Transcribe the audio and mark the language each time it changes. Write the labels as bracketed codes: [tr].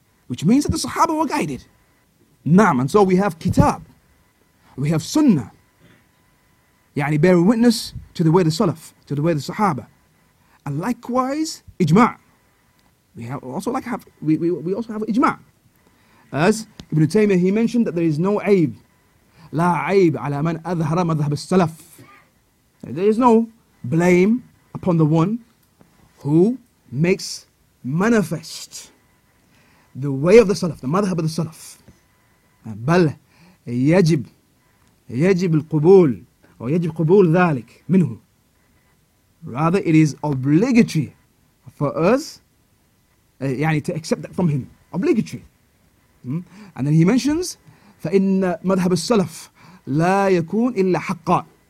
[en] Which means that the Sahaba were guided. Naam. And so we have Kitab. We have Sunnah. يعني bearing witness to the way of the Salaf, to the way of the Sahaba. And likewise, Ijma'. We also have Ijma'. As Ibn Taymiyyah, he mentioned that there is no aib. [ar] لا عيب على من أظهر مذهب السلف. [en] There is no blame upon the one who makes manifest the way of the Salaf, the madhab of the Salaf. [ar] بل يجب القبول أو يجب قبول ذلك منه. [en] Rather, it is obligatory for us يعني, to accept that from him. Obligatory. And then he mentions, [ar] فإن مذهب السلف لا يكون إلا حقا.